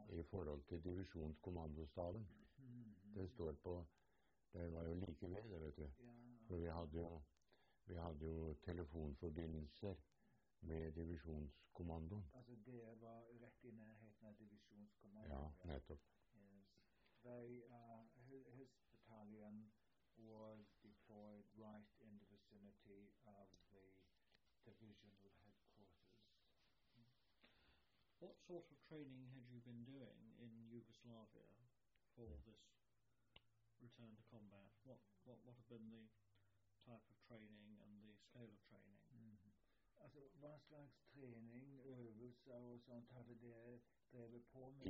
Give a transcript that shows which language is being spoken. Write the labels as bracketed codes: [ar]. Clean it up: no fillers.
[no] i forhold til divisjonskommandostaven. Det står på, det var jo like ved, det vet du. Ja. For vi hadde jo telefonforbindelser med divisjonskommandoen. Altså det var rett i nærheten av divisjonskommandoen. Ja, nettopp. [en] His battalion was deployed right in the vicinity of the divisional headquarters. What sort of training had you been doing in Yugoslavia for this return to combat? What have been the type of training and the scale of training? [no] Altså, hva slags trening, øvelser og sånt hadde dere drevet på med